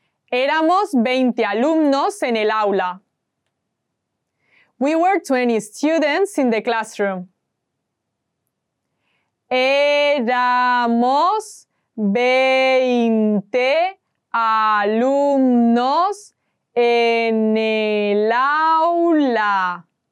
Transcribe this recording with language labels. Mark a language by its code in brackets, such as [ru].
[es] Éramos 20 alumnos en el aula. [en] We were 20 students in the classroom. [es] Éramos 20 alumnos en el aula.